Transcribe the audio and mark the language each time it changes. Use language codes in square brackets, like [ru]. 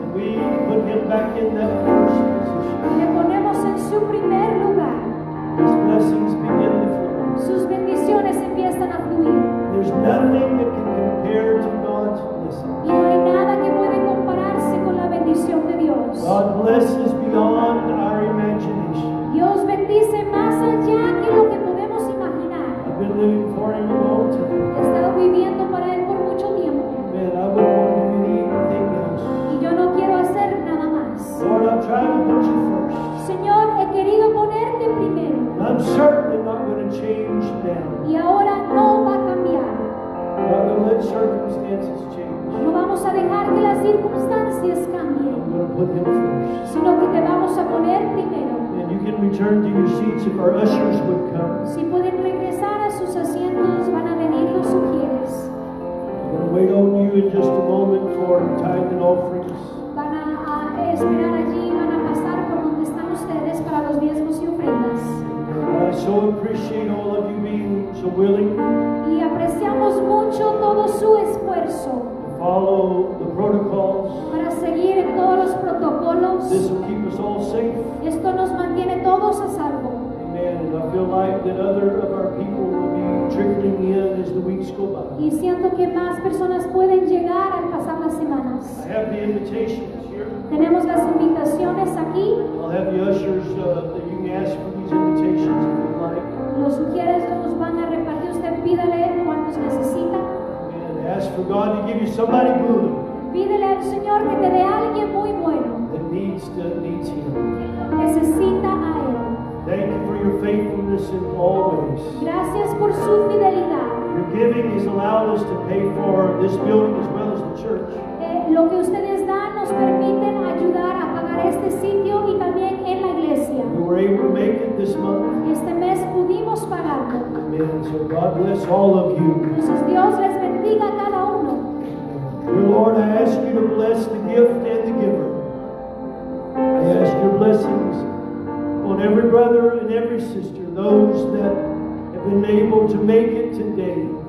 [en] we put Him back in that first position. [es] Le ponemos en su primer lugar. [en] His blessings begin to flow. [es] Sus bendiciones empiezan a fluir. [en] There's nothing that can compare to God's blessings. [es] No hay nada que puede compararse con la bendición de Dios. [en] God blesses beyond our imagination. [es] Dios bendice más allá que lo que podemos imaginar. [en] I've been living for Him a long time. [es] He estado viviendo para Él por mucho tiempo. [en] Man, I wouldn't want to do anything else. [es] Y yo no quiero hacer nada más. [en] Lord, I'm trying to put You first. [es] Señor, he querido ponerte primero. [en] I'm certainly not going to change now. [es] Y ahora no va a cambiar. [en] I'm not going to let circumstances change. [es] No vamos a dejar que las circunstancias cambien. [en] I'm going to put Him first. [es] Sino que te vamos a poner primero. [en] You can return to your seats if our ushers would come. [es] Si pueden regresar a sus asientos, van a venir los ushers. [en] I'm going to wait on you in just a moment for tithe and offerings. [es] Van a esperar allí, van a pasar por donde están ustedes para los diezmos y ofrendas. [en] I so appreciate all of you being so willing. [es] Y apreciamos mucho todo su esfuerzo. [en] Follow the protocols. [es] Para seguir todos los protocolos. [en] This will keep us all safe. [es] Esto nos mantiene todos a salvo. [en] Amen. I feel like that other of our people will be trickling in as the weeks go by. [es] Y siento que más personas pueden llegar al pasar las semanas. [en] I have the invitations here. [es] Tenemos las invitaciones aquí. [en] I'll have the ushers that you can ask for these invitations if you'd like. [es] Los ushers nos van a repartir. Usted pídale cuantos necesita. [en] Ask for God to give you somebody good. [es] Pídele al Señor que te dé alguien muy bueno. [en] That needs Him. [es] Necesita a Él. [en] Thank you for your faithfulness in all ways. [es] Gracias por su fidelidad. [en] Your giving has allowed us to pay for this building as well as the church. [es] Lo que ustedes dan nos permiten ayudar a pagar este sitio y también en la iglesia. [en] We were able to make it this month. [es] Este mes pudimos pagarlo. [en] Amen. So God bless all of you. [es] Entonces Dios les bendiga a cada uno. [en] Dear Lord, I ask You to bless the gift and the giver. I ask Your blessings on every brother and every sister, those that have been able to make it today.